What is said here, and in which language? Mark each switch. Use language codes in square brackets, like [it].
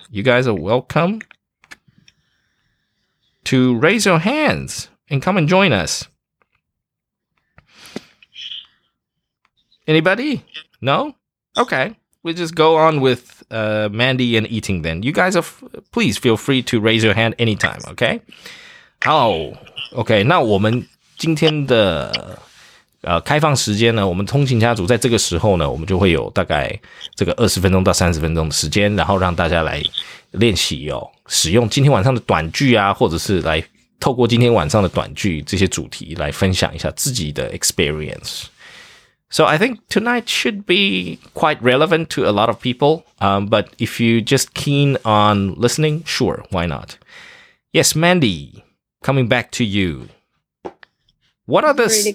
[en] You guys are welcome to raise your hands and come and join us. Anybody? No? Okay. We'll just go on with Mandy and Yiting then. You guys are please feel free to raise your hand anytime, okay? Oh, okay. [zh] 那我们今天的开放时间呢，我们通勤家族在这个时候呢，我们就会有大概这个20分钟到30分钟的时间，然后让大家来练习哦，使用今天晚上的短句啊，或者是来透过今天晚上的短句这些主题来分享一下自己的 experience. [en] So I think tonight should be quite relevant to a lot of people, but if you just keen on listening, sure, why not? Yes, Mandy, coming back to you. What are the...